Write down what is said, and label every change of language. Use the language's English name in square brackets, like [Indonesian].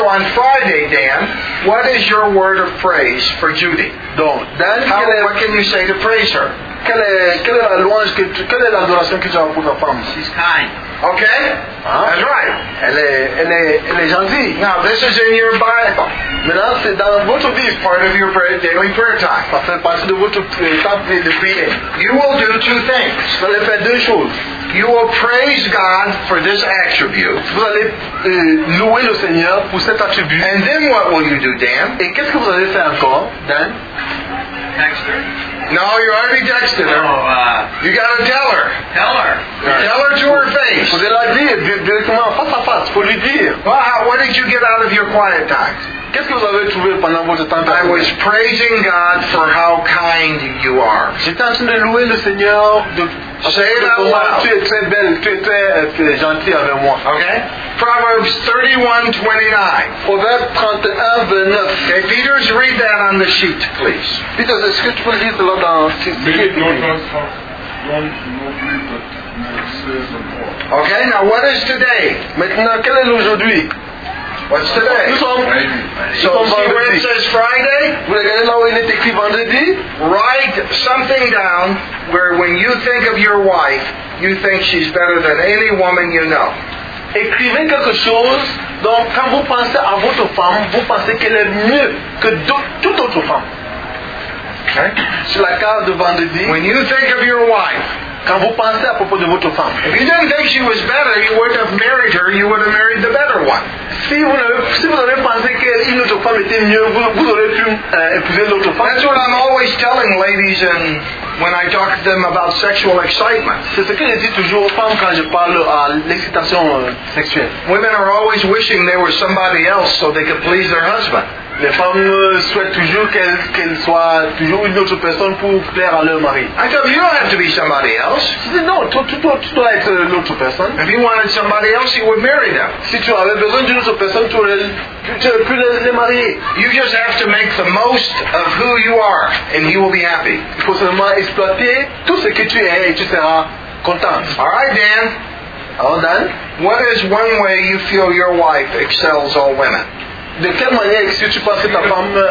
[English] So on Friday, Dan, what is your word of praise for Judy? [French] Donc, Dan, [English] what can you say to praise her? [French] Quelle est la louange, quelle est l'adoration que tu as pour ta femme? [English] She's kind. Okay? That's right. [French] Elle est gentille. [English] Now, this is in your Bible. [French] Maintenant, c'est dans votre vie. [English] Part of your daily prayer time. [French] Ça fait partie de votre temps de prière. [English] You will do two things. [French] Vous allez faire deux choses. [English] You will praise God for this attribute. [French] Vous allez louer le Seigneur pour cet attribut. [English] And then what will you do, Dan? [French] Et qu'est-ce que vous allez faire encore, Dan? [English] Next year. No, you already texted her. You got to tell her. Tell her. Right. Tell her to her face. [French] Face à face, pour lui dire. [English] What did you get out of your quiet time? [French] Qu'est-ce que vous avez trouvé pendant votre temps de prière? [English] I was praising God for how kind you are. [French] J'étais en train de louer le Seigneur. [English] Say it out loud. [French] Tu es très belle, tu es très gentil avec moi. [English] Okay. Proverbs 31:29. [French] Proverbes 31:29. [English] Okay, Peter, read that on the sheet, please. [French] Peter, est-ce que tu peux lire cela dans le sheet? [English] Okay, now what is today? [French] Maintenant, quel est aujourd'hui? [English] What's today? So see where it says Friday? [French] Vous regardez là où il est écrit vendredi? [English] Write something down where when you think of your wife, you think she's better than any woman you know. [French] Écrivez quelque chose, donc quand vous pensez à votre femme, vous pensez qu'elle est mieux que toute autre femme. [English] Okay. [French] Sur la carte de vendredi. [English] When you think of your wife, [French] quand vous pensez à propos de votre femme. [English] If you didn't think she was better, you wouldn't have married her, you would have married the better one. [French] Si vous avez pensé qu'une autre femme était mieux, vous aurez pu épouser l'autre femme. [English] That's what I'm always telling ladies and when I talk to them about sexual excitement. [French] C'est ce que je dis toujours aux femmes quand je parle à l'excitation sexuelle. [English] Women are always wishing they were somebody else so they could please their husband. [French] Les femmes souhaitent toujours qu'elles soient toujours une autre personne pour plaire à leur mari. [English] I tell you, you don't have to be somebody else. [French] Je dis, non, tu dois être une autre personne. [English] If you wanted somebody else, you would marry them. [French] Si tu avais besoin d'une autre personne, tu aurais pu les marier. [English] You just have to make the most of who you are, and you will be happy. [French] Il faut seulement exploiter tout ce que tu es et tu seras content. [English] All right, Dan. All done. What is one way you feel your wife excels all women? [French] De quelle manière est-ce que tu penses que ta femme...